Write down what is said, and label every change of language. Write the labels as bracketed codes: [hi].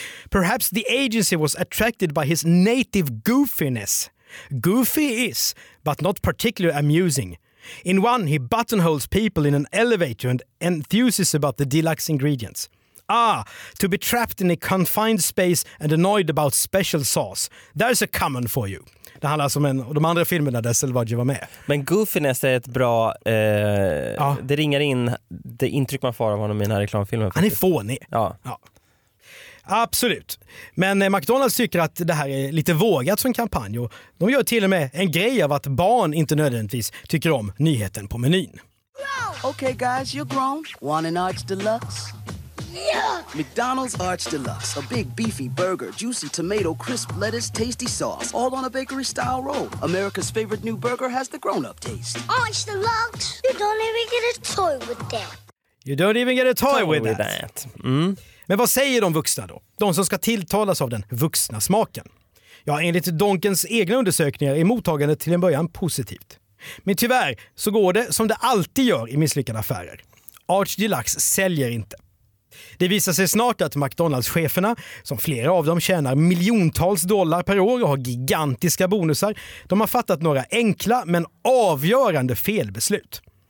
[en] Perhaps the agency was attracted by his native goofiness. Goofy is, but not particularly amusing. In one, he buttonholes people in an elevator and enthuses about the deluxe ingredients. Ah, to be trapped in a confined space and annoyed about special sauce. There's a common for you. [sv] Det handlar alltså om en, de andra filmerna där Salvaggio var med. Men goofiness är ett bra... Det ringer in det intryck man får av honom i den här reklamfilmen. Han är fånig. Ja. Ja. Absolut. Men McDonald's tycker att det här är lite vågat som kampanj, och de gör till och med en grej av att barn inte nödvändigtvis tycker om nyheten på menyn. [en] Okay guys, you're grown. Want an Arch Deluxe? Yeah! McDonald's Arch Deluxe, a big beefy burger, juicy tomato, crisp lettuce, tasty sauce, all on a bakery style roll. America's favorite new burger has the grown-up taste. Arch Deluxe. You don't even get a toy with that. You don't even get a toy with that. Mm. [sv] Men vad säger de vuxna då? De som ska tilltalas av den vuxna smaken? Ja, enligt Donkens egna undersökningar är mottagandet till en början positivt. Men tyvärr så går det som det alltid gör i misslyckade affärer. Arch Deluxe säljer inte. Det visar sig snart att McDonald's-cheferna, som flera av dem tjänar miljontals dollar per år och har gigantiska bonusar, de har fattat några enkla men avgörande felbeslut.